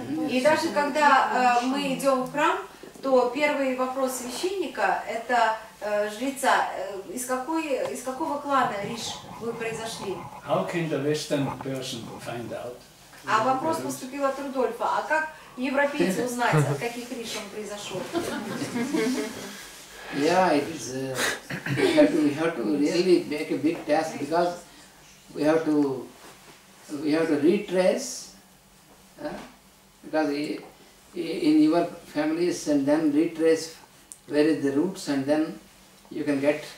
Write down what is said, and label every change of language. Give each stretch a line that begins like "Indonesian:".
Russian: И даже когда мы идем в храм, то первый вопрос священника, это жреца, из какого клана Риш вы произошли?
English: How can the Western person find out?
Russian: А вопрос поступил от Рудольфа, а как европейцы узнать, от каких Риш он произошел?
English: Yeah, it is. We have to really make a big task because we have to retrace. Because in your families and then retrace where is the roots and then you can get.